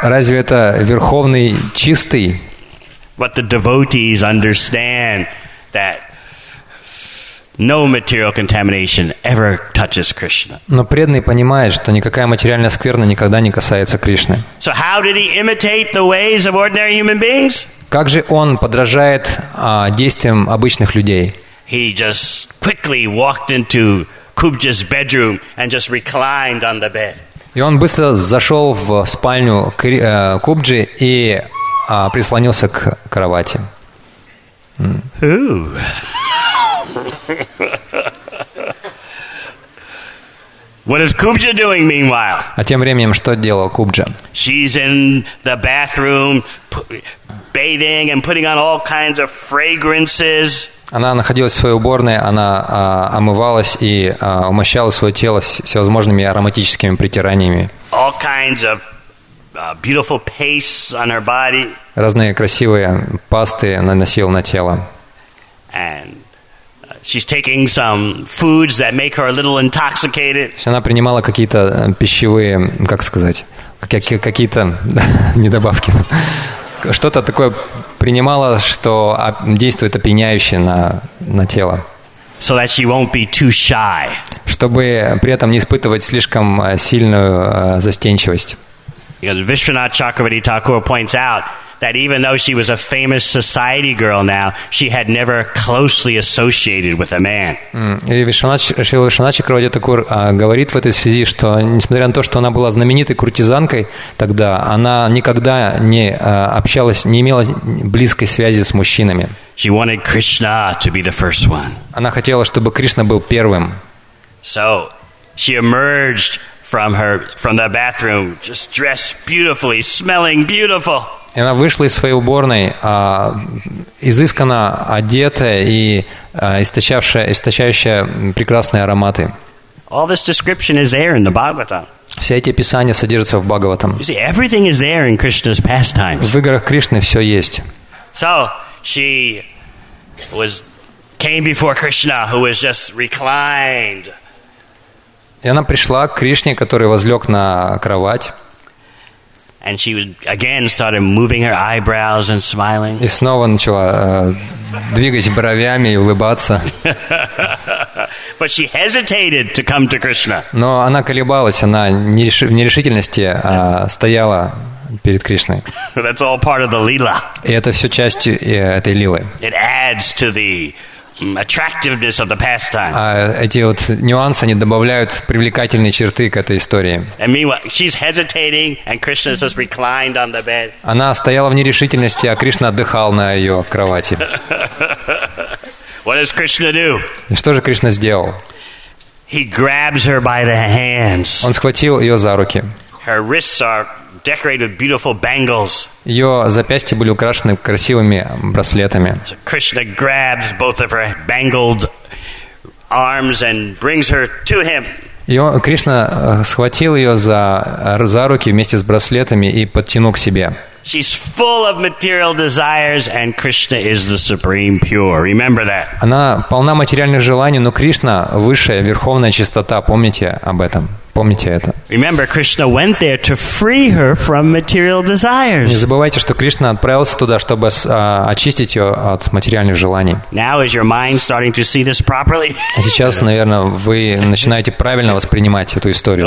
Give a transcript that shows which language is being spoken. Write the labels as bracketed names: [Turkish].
[Russian] Разве это верховный чистый? [English] But the devotees understand that no material contamination ever touches Krishna. [Russian] Но преданный понимает, что никакая материальная скверна никогда не касается Кришны. [English] So how did he imitate the ways of ordinary human beings? [Russian] Как же он подражает действиям обычных людей? [English] He just quickly walked into Kubja's bedroom and just reclined on the bed. [Russian] И он быстро зашел в спальню Кубджи и прислонился к кровати. Ooh. [English] What is Kubja doing meanwhile? [Russian] А тем временем что делал Кубджа? [English] She's in the bathroom bathing and putting on all kinds of fragrances. [Russian] Она находилась в своей уборной, она омывалась и умощала свое тело всевозможными ароматическими притираниями. [English] All kinds of beautiful paste on her body. [Russian] Разные красивые пасты наносила на тело. [English] And she's taking some foods that make her a little intoxicated. [Russian] Она принимала какие-то пищевые, как сказать, какие-то недобавки. Что-то такое принимала, что действует опьяняюще на тело. [English] So that she won't be too shy. [Russian] Чтобы при этом не испытывать слишком сильную застенчивость. [English] Because Vishwanath Chakravarti Thakur points out that even though she was a famous society girl now, she had never closely associated with a man. [Russian] И Вишванат Чакраварти Такур говорит в этой связи, что несмотря на то, что она была знаменитой куртизанкой тогда, она никогда не общалась, не имела близкой связи с мужчинами. [English] She wanted Krishna to be the first one. [Russian] Она хотела, чтобы Кришна был первым. [English] So she emerged from the bathroom, just dressed beautifully, smelling beautiful. [Russian] И она вышла из своей уборной, изысканно одетая и источающая прекрасные ароматы. [English] All this description is there in the Bhagavatam. [Russian] Все эти описания содержатся в Бхагаватам. [English] You see, everything is there in Krishna's pastimes. [Russian] В играх Кришны все есть. [English] So she came before Krishna, who was just reclined. [Russian] И она пришла к Кришне, который возлег на кровать. [English] And she again started moving her eyebrows and smiling. [Russian] И снова начала двигать бровями и улыбаться. [English] But she hesitated to come to Krishna. [Russian] Но она колебалась, она в нерешительности стояла перед Кришной. [English] That's all part of the lila. [Russian] И это все часть этой лилы. [English] It adds to the attractiveness of the pastime. [Russian] Эти вот нюансы, они добавляют привлекательные черты к этой истории. [English] And meanwhile, she's hesitating, and Krishna just reclined on the bed. [Russian] Она стояла в нерешительности, а Кришна отдыхал на ее кровати. [English] What does Krishna do? [Russian] И что же Кришна сделал? [English] He grabs her by the hands. [Russian] Он схватил ее за руки. [English] Her wrists are decorated with beautiful bangles. [Russian] Ее запястья были украшены красивыми браслетами. [English] Krishna grabs both of her bangled arms and brings her to him. [Russian] И Кришна схватил ее за руки вместе с браслетами и подтянул к себе. [English] She's full of material desires, and Krishna is the supreme pure. Remember that. [Russian] Она полна материальных желаний, но Кришна высшая верховная чистота. Помните об этом. Помните это. [English] Remember, Krishna went there to free her from material desires. [Russian] Не забывайте, что Кришна отправился туда, чтобы очистить ее от материальных желаний. [English] Now is your mind starting to see this properly? [Russian] Сейчас, наверное, вы начинаете правильно воспринимать эту историю.